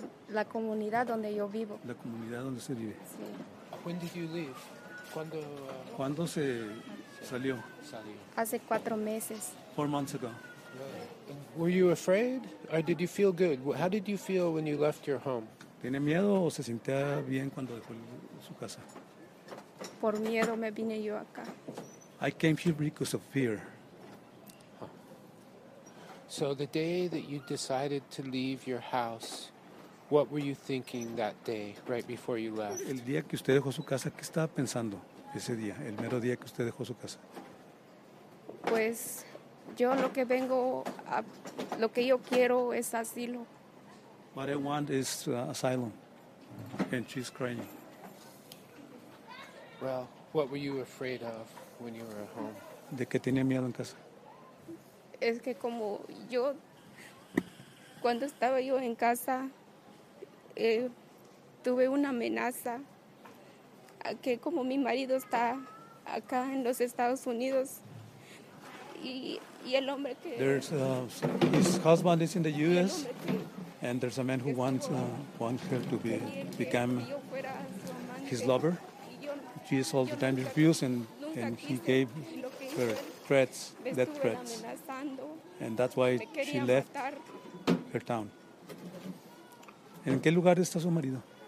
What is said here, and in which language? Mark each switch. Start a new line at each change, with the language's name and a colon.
Spanish: La comunidad donde yo vivo. La comunidad donde se vive. Sí.
English: When did you leave?
Spanish: ¿Cuándo? ¿Cuándo se salió? Hace 4 meses.
English: 4 months ago. Yeah. Were you afraid? Or did you feel good? How did you feel when you left your home?
Spanish: ¿Tiene miedo o se sentía bien cuando dejó su casa? Por miedo me vine yo acá.
English: I came here because of fear. Huh. So the day that you decided to leave your house, what were you thinking that day, right before you left?
Spanish: El día que usted dejó su casa, ¿qué estaba pensando ese día, el mero día que usted dejó su casa? Pues yo lo que vengo, a, lo que yo quiero es asilo.
English: What I want is asylum, and she's crying. Well, what were you afraid of when you were at home?
Spanish: De que tenía miedo en casa. Es que como yo, cuando estaba yo en casa, tuve una amenaza, que como mi marido está acá en los Estados Unidos, y el hombre que...
English: There's his husband is in the U.S., and there's a man who wants her to become his lover. She is all the time refused, and he gave her threats, death threats. And that's why she left her town.
Spanish: ¿En qué lugar está su marido?